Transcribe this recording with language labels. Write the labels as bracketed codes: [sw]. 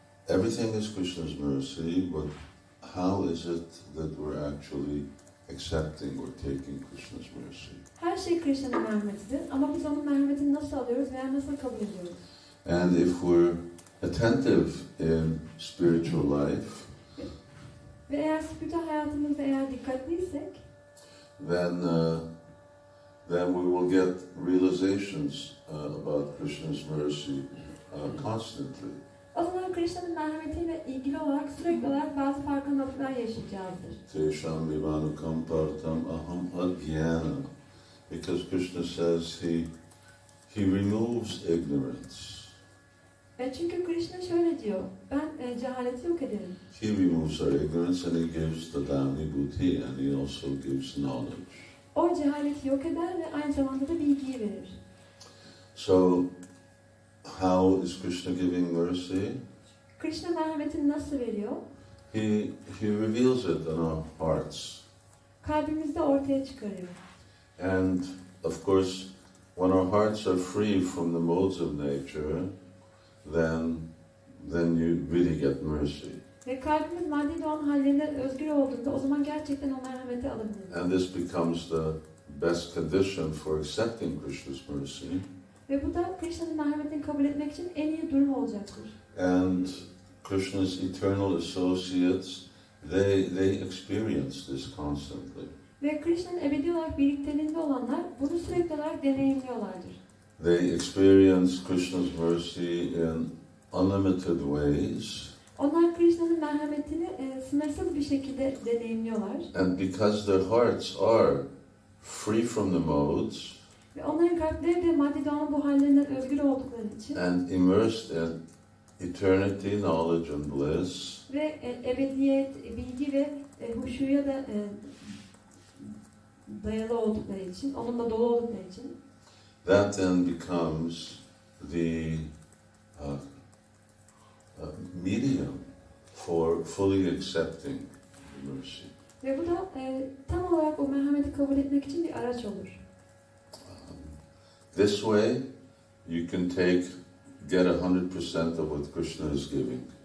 [en] Everything is Krishna's mercy, but how is it that we're actually accepting or taking Krishna's mercy? [tr] Her şey Krishna'nın merhametidir ama biz onun merhametini nasıl alıyoruz veya nasıl kabul ediyoruz? [en] And if we're attentive in spiritual life, [tr] ve eğer spiritual hayatımızda eğer dikkatliysek, [en] then we will get realizations about Krishna's mercy constantly. [tr] O zaman Krishna'nın merhametiyle ilgili olarak sürekli olarak bazı farkındalıklar yaşayacağızdır. [sa] Tesham vivanu kampartam aham adhyana. [en] Because Krishna says he removes ignorance. [tr] Çünkü Krishna şöyle diyor, ben cehaleti yok ederim. [en] He removes our ignorance and he gives the dhani buti and he also gives knowledge. [tr] O cehaleti yok eder ve aynı zamanda da bilgiyi verir. [en] So, how is Krishna giving mercy? [tr] Krishna merhametini nasıl veriyor? [en] He reveals it in our hearts. [tr] Kalbimizde ortaya çıkarıyor. [en] And, of course, when our hearts are free from the modes of nature, then you really get mercy. [tr] Ve kalbimiz maddi doğan hallerinde özgür olduğunda o zaman gerçekten o merhameti alabiliriz. [en] And this becomes the best condition for accepting Krishna's mercy. [tr] Ve bu da Krishna'nın merhametini kabul etmek için en iyi durum olacaktır. [en] And Krishna's eternal associates, they experience this constantly. [tr] Ve Krishna'nın ebedi olarak birlikteliğinde olanlar bunu sürekli olarak deneyimliyorlardır. [en] They experience Krishna's mercy in unlimited ways. [tr] Onlar Krishna'nın merhametini sınırsız bir şekilde deneyimliyorlar. [en] And because their hearts are free from the modes. [tr] Ve onların kalpleri de maddeden bu hallerinden özgür oldukları için. [en] And immersed in eternity, knowledge and bliss. [tr] Ve ebediyet, bilgi ve huşuya da dayalı oldukları için, onunla dolu oldukları için. [en] That then becomes the medium for fully accepting mercy. [tr] Ve bu da tam olarak o merhameti kabul etmek için bir araç olur. [en] This way you can get 100% of what Krishna is giving.